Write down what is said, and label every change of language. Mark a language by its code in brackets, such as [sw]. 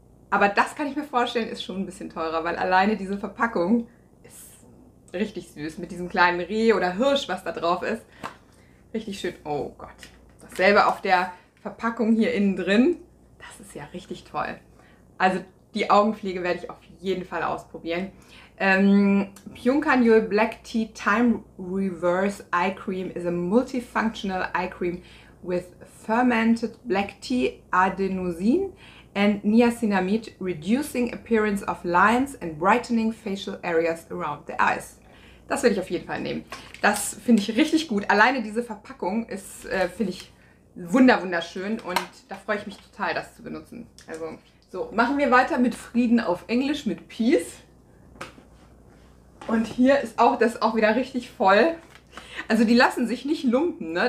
[de] Aber das kann ich mir vorstellen, ist schon ein bisschen teurer, weil alleine diese Verpackung ist richtig süß mit diesem kleinen Reh oder Hirsch, was da drauf ist. Richtig schön. Oh Gott. Dasselbe auf der Verpackung hier innen drin. Das ist ja richtig toll. Also die Augenpflege werde ich auf jeden Fall ausprobieren. [en] Pyeongkangyul Black Tea Time Reverse Eye Cream is a multifunctional eye cream with fermented black tea, adenosine and niacinamide, reducing appearance of lines and brightening facial areas around the eyes. [de] Das werde ich auf jeden Fall nehmen. Das finde ich richtig gut. Alleine diese Verpackung ist, finde ich, wunderschön und da freue ich mich total, das zu benutzen. Also, so, machen wir weiter mit Frieden auf Englisch, mit Peace. Und hier ist auch das auch wieder richtig voll. Also die lassen sich nicht lumpen, ne?